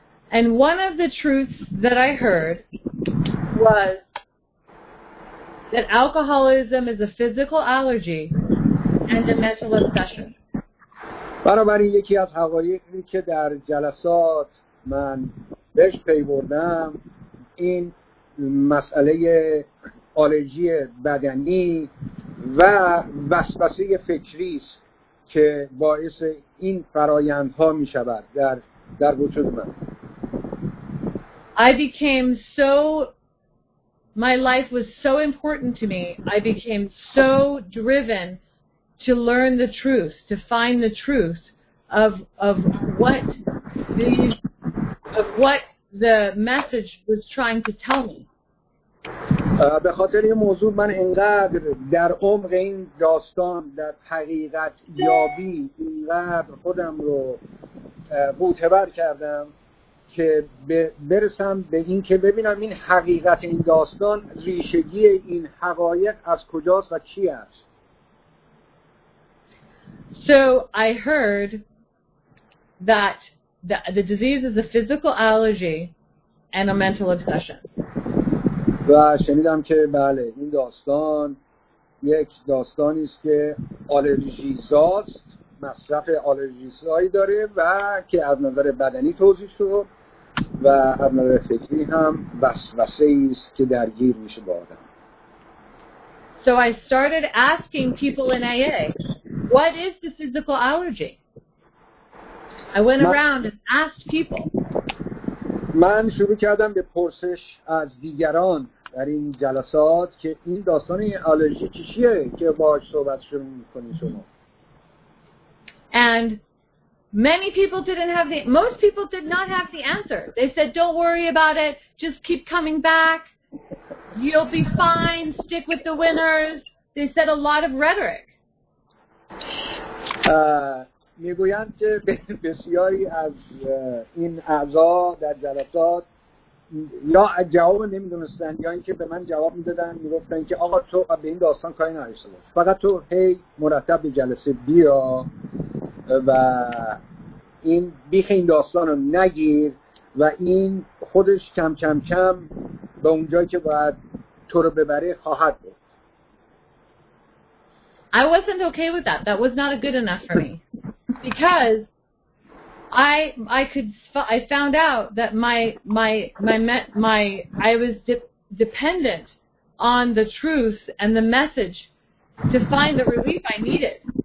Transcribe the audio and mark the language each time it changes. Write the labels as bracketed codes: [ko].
[en] And one of the truths that I heard was that alcoholism is a physical allergy and a mental obsession. [fa] بنابراین یکی از حقایقی که در جلسات من بهش پی بردم این مسئله آلرژی بدنی و وسوسه فکری است که باعث این فرایندها می شود در وجود من. [en] I became so, my life was so important to me, I became so driven to learn the truth, to find the truth of what the message was trying to tell me. [fa] به خاطر این موضوع من اینقدر در عمق این داستان در حقیقت یابی اینقدر خودم رو معتبر کردم که برسم به این که ببینم این حقیقت این داستان ریشگی این حقایق از کجاست و چی است. [en] So I heard that the disease is a physical allergy and a mental obsession. [fa] و شنیدم که بله این داستان یک داستانی است که آلرژی زاست مصرف آلرژیزهایی داره و که از نظر بدنی توضیح شد و از نظر فکری هم وسوسه ایست که درگیر میشه با آدم. [en] So I started asking people in AA, what is the physical allergy? I went around and asked people. [fa] من شروع کردم به پرسش از دیگران در این جلسات که این داستان آلرژی چیه که باهاش صحبت شروع می‌کنی شما. [en] And many people didn't have the most people did not have the answer. They said don't worry about it, just keep coming back. You'll be fine, stick with the winners. They said a lot of rhetoric. [fa] میگویند که بسیاری از این اعضا در جلسات یا جواب نمیدونستن یا اینکه به من جواب میدادن میگفتن که آقا تو به این داستان کاری نداشته باش، فقط تو هی مرتب به جلسه بیا و این بیخ این داستان رو نگیر و این خودش کم کم کم به اونجایی که باید تو رو ببره خواهد بود. [en] I wasn't okay with that. That was not good enough for me. Because I found out that I was dependent on the truth and the message to find the relief I needed.